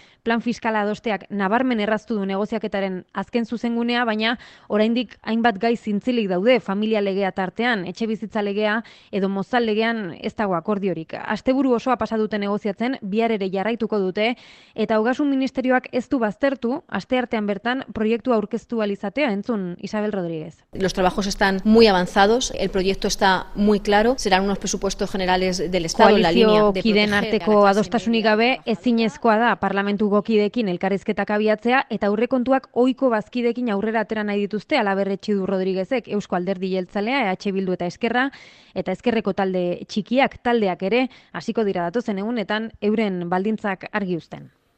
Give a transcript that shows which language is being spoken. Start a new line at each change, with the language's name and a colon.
Basque: Plan fiskala adosteak nabarmen erraztu du negoziaketaren azken zuzengunea, baina oraindik hainbat gai zintzilik daude familia legea tartean, etxe bizitza legea edo mozal legean ez dago akordiorik. Asteburu osoa pasa dute negoziatzen, bihar ere jarraituko dute, eta Ogasun Ministerioak ez du baztertu, asteartean bertan proiektua aurkeztu alizatea, entzun Isabel Rodríguez.
Spanish: Los trabajos están muy avanzados, el proyecto está muy claro, serán unos presupuestos generales del Estado, la línea de proteger.
Basque: Kideen arteko adostasunik gabe, ezinezkoa da parlamentu gokidekin elkarrizketak abiatzea eta aurrekontuak ohiko bazkidekin aurrera atera nahi dituzte Halaber etxi du Rodríguezek, Eusko Alderdi Jeltzalea, EH Bildu eta Eskerra eta Eskerreko talde txikiak taldeak ere hasiko dira datozen egunetan euren baldintzak argi uzten.